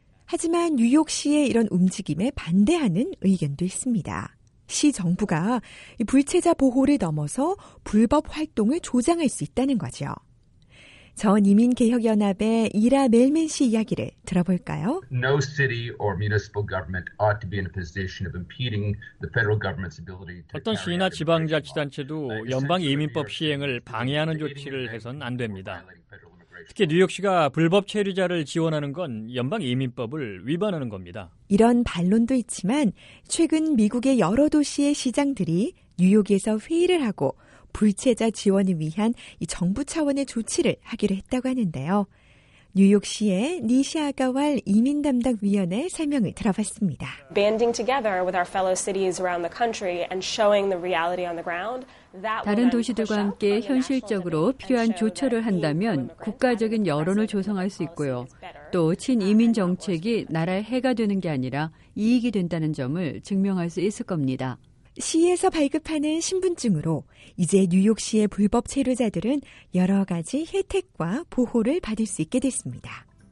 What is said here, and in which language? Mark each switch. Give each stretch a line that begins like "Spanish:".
Korean: 하지만 뉴욕시의 이런 움직임에 반대하는 의견도 있습니다. 시 정부가 불체자 보호를 넘어서 불법 활동을 조장할 수 있다는 거죠. 전이민개혁연합의 이라 멜멘 씨 이야기를 들어볼까요?
English: No city or municipal government ought to be in a position of impeding the federal government's ability to.
Korean: 어떤 시나 지방자치단체도 연방 이민법 시행을 방해하는 조치를 해선 안 됩니다. 특히 뉴욕시가 불법 체류자를 지원하는 건 연방 이민법을 위반하는 겁니다. 이런 반론도 있지만 최근 미국의 여러 도시의 시장들이 뉴욕에서 회의를 하고 불체자 지원을 위한 이 정부 차원의 조치를 하기로 했다고 하는데요. 뉴욕시의 니시아가왈 이민 담당 위원의 설명을 들어봤습니다.
English: Banding together with our fellow cities around the country and showing the reality on the ground.
Korean: 다른 도시들과 함께 현실적으로 필요한 조처를 한다면 국가적인 여론을 조성할 수 있고요. 또 친이민 정책이 나라에 해가 되는 게 아니라 이익이 된다는 점을 증명할 수 있을 겁니다. 시에서 발급하는 신분증으로 이제 뉴욕시의 불법 체류자들은 여러 가지 혜택과 보호를 받을 수 있게 됐습니다.